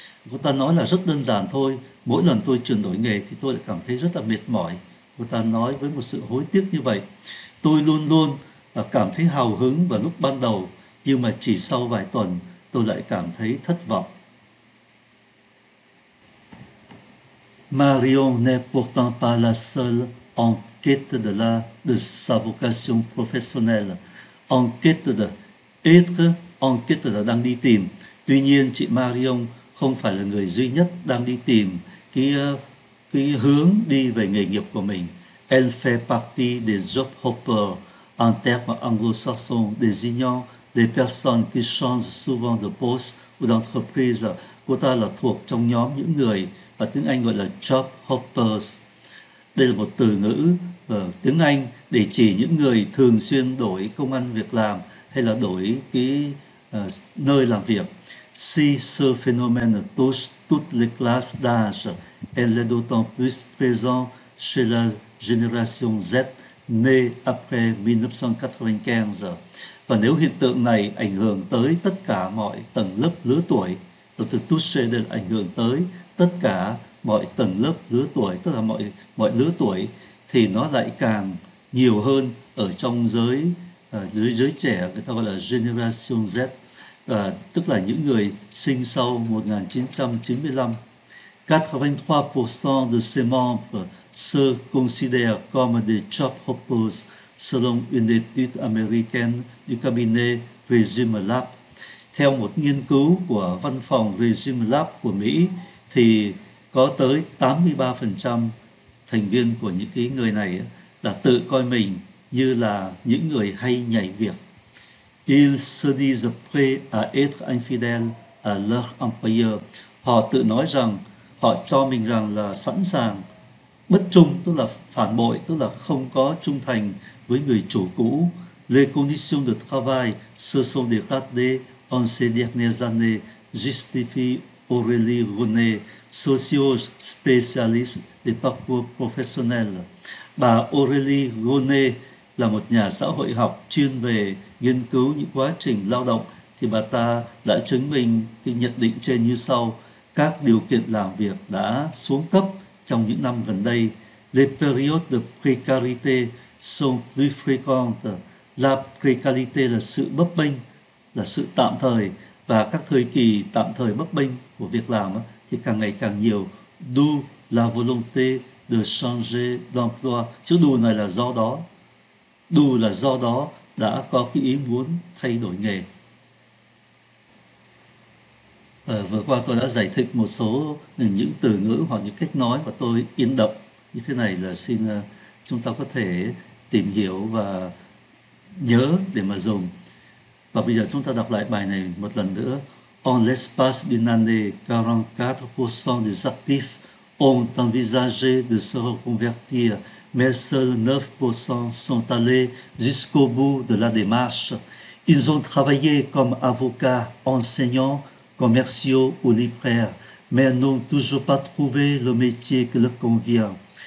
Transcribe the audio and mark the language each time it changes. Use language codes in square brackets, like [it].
[vi] Cô ta nói là rất đơn giản thôi, mỗi lần tôi chuyển đổi nghề thì tôi lại cảm thấy rất là mệt mỏi. Cô ta nói với một sự hối tiếc như vậy. Tôi luôn luôn cảm thấy hào hứng vào lúc ban đầu, nhưng mà chỉ sau vài tuần tôi lại cảm thấy thất vọng. [fr] Marion n'est pourtant pas la seule en quête de sa vocation professionnelle. En quête de, être en quête de, [vi] đang đi tìm. Tuy nhiên, chị Marion không phải là người duy nhất đang đi tìm cái hướng đi về nghề nghiệp của mình. [fr] Elle fait partie des job hoppers, en termes anglo-saxons, désignant des personnes qui changent souvent de poste ou d'entreprise. [vi] Cô ta là thuộc trong nhóm những người và tiếng Anh gọi là job hoppers. Đây là một từ ngữ tiếng Anh để chỉ những người thường xuyên đổi công ăn việc làm hay là đổi cái nơi làm việc. [fr] Si ce phénomène touche toutes les classes d'âge, elle est d'autant plus présent chez la génération Z née après 1995. [vi] Và nếu hiện tượng này ảnh hưởng tới tất cả mọi tầng lớp lứa tuổi, tức là touche đây là ảnh hưởng tới tất cả mọi tầng lớp lứa tuổi, tức là mọi lứa tuổi, thì nó lại càng nhiều hơn ở trong giới trẻ, người ta gọi là Generation Z, tức là những người sinh sau 1995. [fr] 83% de ses membres se considèrent comme des job hoppers, selon une étude américaine du cabinet Resume Lab. [vi] Theo một nghiên cứu của văn phòng Resume Lab của Mỹ, thì có tới 83% thành viên của những cái người này đã tự coi mình như là những người hay nhảy việc. [fr] Ils se disent prêts à être infidèles à leur employeur. [vi] Họ tự nói rằng, họ cho mình rằng là sẵn sàng bất trung, tức là phản bội, tức là không có trung thành với người chủ cũ. [fr] Les conditions de travail se sont dégradées en ces dernières années, justifie Aurélie Ronet, socio-spécialiste des parcours professionnels. [vi] Bà Aurélie Ronet là một nhà xã hội học chuyên về nghiên cứu những quá trình lao động, thì bà ta đã chứng minh cái nhận định trên như sau. Các điều kiện làm việc đã xuống cấp trong những năm gần đây. [fr] Les périodes de précarité sont plus fréquentes. La précarité [vi] là sự bấp bênh, là sự tạm thời, và các thời kỳ tạm thời bấp bênh của việc làm thì càng ngày càng nhiều. [fr] D'où la volonté de changer d'emploi. [vi] Chứ d'où này là do đó. D'où là do đó đã có cái ý muốn thay đổi nghề. Vừa qua tôi đã giải thích một số những từ ngữ hoặc những cách nói mà tôi in đậm như thế này, là xin chúng ta có thể tìm hiểu và nhớ để mà dùng. Và bây giờ chúng ta đọc lại bài này một lần nữa. [fr] En l'espace d'une année, 44% des actifs ont envisagé de se reconvertir, mais seuls 9% sont allés jusqu'au bout de la démarche. Ils ont travaillé comme avocats, enseignants, commerciaux ou libraires, mais n'ont toujours pas trouvé le métier qui leur convient.